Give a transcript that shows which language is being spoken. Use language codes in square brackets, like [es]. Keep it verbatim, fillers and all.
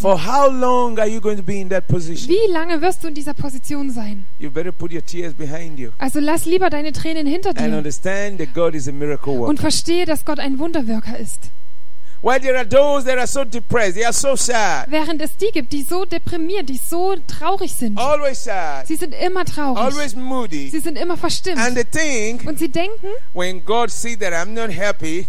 [en] For how long are you going to be in that position? [de] Wie lange wirst du in dieser Position sein? [en] You better put your tears behind you. [de] Also lass lieber deine Tränen hinter [en] And [de] dir. [en] understand that God is a miracle worker. [de] Und verstehe, dass Gott ein Wunderwirker ist. [en] Why there are those that are so depressed? They are so sad. [de] Während es die gibt, die so deprimiert, die so traurig sind. [en] Always sad. [de] Sie sind immer traurig. [en] Always moody. [de] Sie sind immer verstimmt. [en] And they think [de] Und sie denken, [en] when God see that I'm not happy,